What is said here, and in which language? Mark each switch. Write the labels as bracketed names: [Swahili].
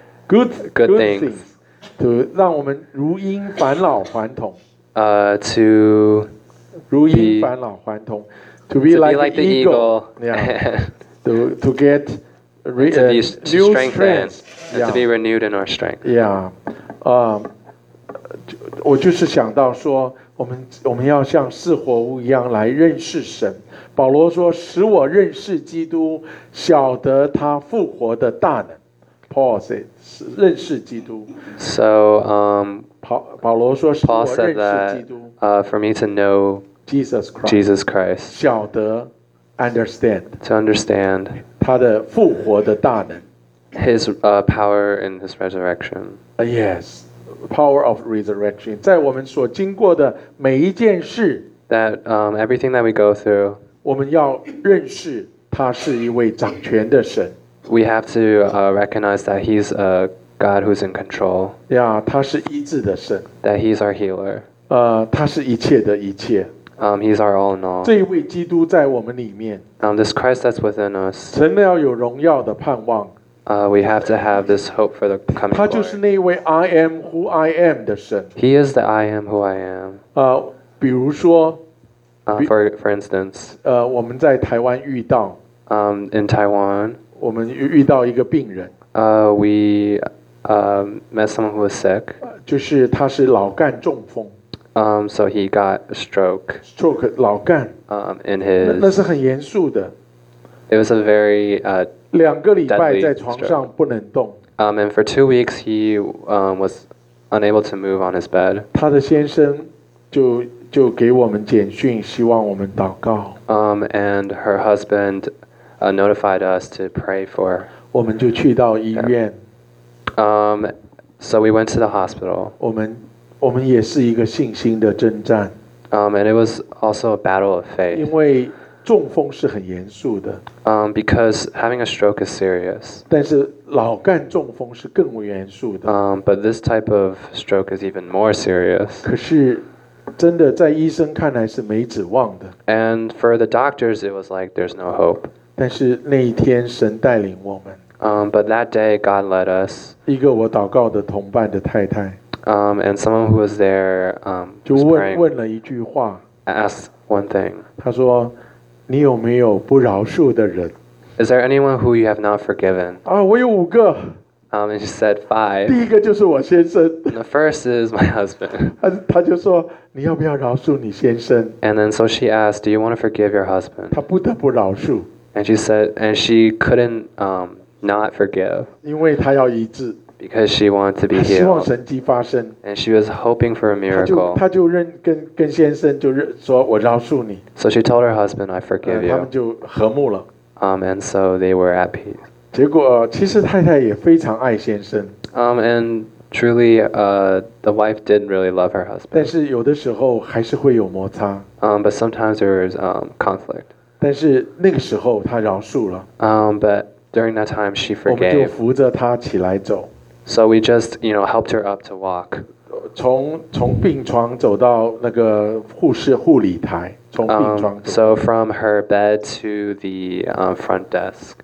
[English] good things to [Chinese] 让我们如因返老还童 [English] to [Chinese] 如因返老还童 [English] to be like the eagle yeah, to get to strengthen yeah, to be renewed in our strength [Chinese] yeah 我就是想到说我们要像似活物一样来认识神。保罗说：“使我认识基督，晓得他复活的大能。” [English] Paul said, [Chinese] 认识基督。 [English] So, Paul said that, for me to know Jesus Christ, [Chinese] 晓得 understand, [English] to understand [Chinese] 他的复活的大能 [English] his power in his resurrection. Yes, power of resurrection. [Chinese] 在我们所经过的每一件事 [English] that everything that we go through, [Chinese] 我们要认识他是一位掌权的神。 [English] We have to recognize that he's a God who's in control. [Chinese] Yeah, 他是医治的神。 [English] That he's our healer. [Chinese] 他是一切的一切。 [English] He's our all in all. [Chinese] 这一位基督在我们里面。 [English] This Christ that's within us. [Chinese] 神要有荣耀的盼望。 [English] We have to have this hope for the coming. [Chinese] 他就是那一位 [English] I am who I am [Chinese] 的神。 [English] He is the I am who I am. [Chinese] 比如说。 [English] For instance. [Chinese] 我们在台湾遇到。 [English] In Taiwan. [Chinese] 我们遇到一个病人。 [English] We met someone who was sick. [Chinese] 就是他是老干中风。 [English] So he got a stroke. [Chinese] Stroke 老干。 [English] In his [Chinese] 那是很严肃的。 [English] It was a very [Chinese] 两个礼拜在床上不能动。 [English] And for 2 weeks he was unable to move on his bed. [Chinese] 他的先生就给我们简讯，希望我们祷告。 [English] And her husband. Notified us to pray for. [Chinese] 我们就去到医院。 [English] So we went to the hospital. [Chinese] 我们也是一个信心的征战。 [English] And it was also a battle of faith. [Chinese] 因为中风是很严肃的。 [English] Because having a stroke is serious. [Chinese] 但是老干中风是更为严肃的。 [English] But this type of stroke is even more serious. [Chinese] 可是真的在医生看来是没指望的。 [English] And for the doctors, it was like there's no hope. [Chinese] 但是那一天神带领我们。 [English] But that day God led us. [Chinese] 一个我祷告的同伴的太太。 [English] And someone who was there, [Chinese] 就问了一句话。 [English] Asked one thing. [Chinese] 他说，你有没有不饶恕的人？ [English] Is there anyone who you have not forgiven? [Chinese] 啊，我有五个。 [English] And she said five. [Chinese] 第一个就是我先生。 [English] The first is my husband. [Chinese] 他就说，你要不要饶恕你先生？ [English] And then so she asked, do you want to forgive your husband? [Chinese] 他不得不饶恕。 [English] And she said, and she couldn't not forgive. [Chinese] 因为她要医治。 [English] Because she wanted to be healed. [Chinese] 她希望神迹发生。 [English] And she was hoping for a miracle. [Chinese] 她就认跟先生就认说，我饶恕你。 [English] So she told her husband, I forgive you. [Chinese] 他们就和睦了。 [English] And so they were at peace. [Chinese] 结果其实太太也非常爱先生。 [English] And truly, the wife didn't really love her husband. [Chinese] 但是有的时候还是会有摩擦。 [English] But sometimes there is conflict. [Chinese] 但是那个时候他饶恕了。 [English] But during that time she forgave. [Chinese] 我们就扶着他起来走。 [English] So we just, you know, helped her up to walk. [Chinese] 从病床走到那个护士护理台，从病床走。 [English] So from her bed to the front desk.